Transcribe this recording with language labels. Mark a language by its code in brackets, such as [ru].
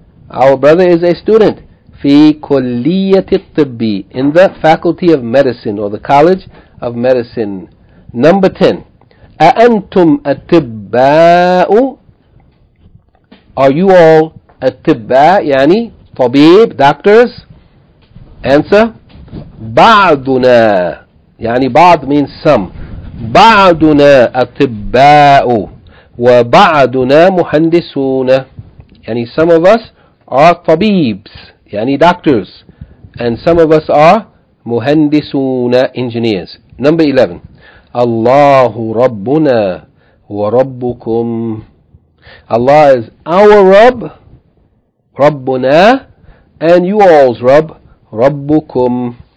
[en] Our brother is a student. [ar] في كلية الطب. [en] In the faculty of medicine or the college of medicine. Number 10. [ar] أأنتم أطباء. [en] Are you all أطباء? [ar] يعني طبيب, doctors. [en] Answer. [ar] بعضنا. يعني بعض [en] means some. [ar] بعضنا أطباء وبعضنا مهندسون. [en] يعني some of us are طبيبs يعني doctors and some of us are مهندسون engineers. Number 11. [ar] الله ربنا وربكم. [en] Allah is our رب, ربنا, and you all's رب, ربكم.